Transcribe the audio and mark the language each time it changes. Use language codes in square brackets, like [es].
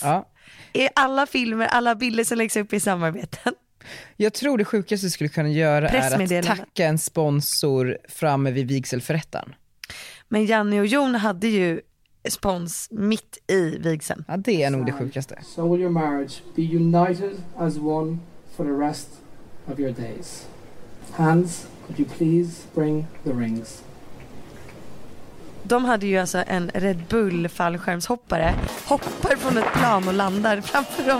[sv] Ja. I alla filmer, alla bilder som läggs upp i samarbeten. Jag tror det sjukaste du skulle kunna göra är att tacka en sponsor framme vid vigselförrättaren. Men Janne och Jon hade ju spons mitt i vigseln. Ja, det är nog det sjukaste. [en] So will your marriage be united as one for the rest of your days. Hans, could you please bring the rings? [sv] De hade ju alltså en Red Bull fallskärmshoppare hoppar från ett plan och landar framför dem.